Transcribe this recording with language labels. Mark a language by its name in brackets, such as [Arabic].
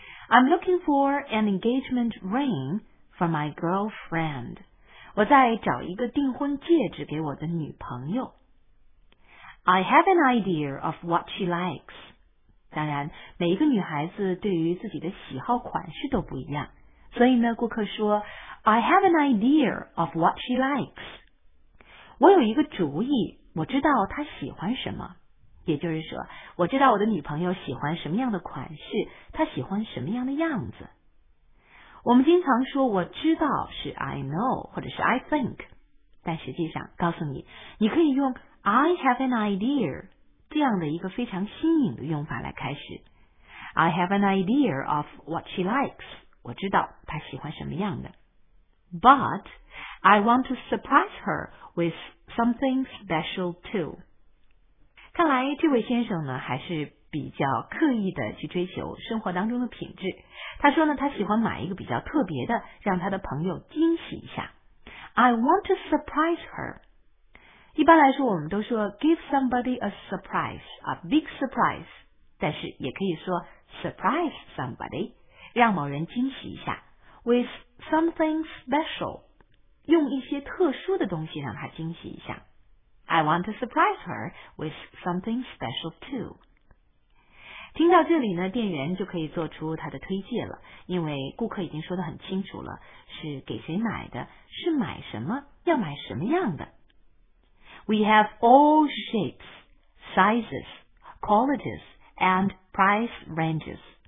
[English] I'm looking for an engagement ring for my girlfriend. [Chinese] 我在找一个订婚戒指给我的女朋友。 [English] I have an idea of what she likes. [Chinese] 当然，每一个女孩子对于自己的喜好款式都不一样。所以呢，顾客说 , [English] I have an idea of what she likes. [Chinese] 我有一个主意，我知道她喜欢什么。也就是说，我知道我的女朋友喜欢什么样的款式，她喜欢什么样的样子。我们经常说我知道是 [English] I know [Chinese] 或者是 [English] I think， [Chinese] 但实际上告诉你，你可以用 [English] I have an idea [Chinese] 这样的一个非常新颖的用法来开始。 [English] I have an idea of what she likes， [Chinese] 我知道她喜欢什么样的。 [English] But I want to surprise her with something special too. [Chinese] 看来这位先生呢还是比较刻意的去追求生活当中的品质。他说呢，他喜欢买一个比较特别的，让他的朋友惊喜一下。 [English] I want to surprise her. [Chinese] 一般来说我们都说 [English] give somebody a surprise, a big surprise, [Chinese] 但是也可以说 [English] surprise somebody, [Chinese] 让某人惊喜一下 [English] with something special, [Chinese] 用一些特殊的东西让他惊喜一下。 [English] I want to surprise her with something special too. [Chinese] 听到这里呢，店员就可以做出他的推荐了，因为顾客已经说得很清楚了，是给谁买的，是买什么，要买什么样的。 [English] We have all shapes, sizes, qualities, and price ranges.